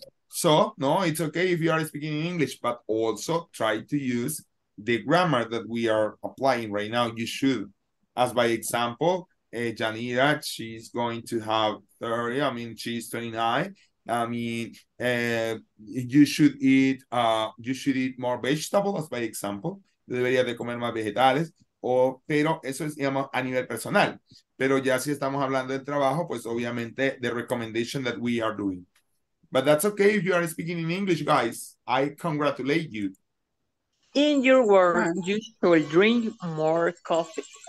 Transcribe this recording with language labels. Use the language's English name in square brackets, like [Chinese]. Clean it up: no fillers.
[English] So, no, it's okay if you are speaking in English, but also try to use the grammar that we are applying right now. You should, as by example, Janira, she's going to have 30, I mean, she's 29. I mean, you should eat more vegetables, as by example. [Spanish] Debería de comer más vegetales, pero eso es, digamos, a nivel personal. Pero ya si estamos hablando del trabajo, pues obviamente [English] the recommendation that we are doing. But that's okay if you are speaking in English, guys. I congratulate you. Thank you. In your work, you should drink more coffee.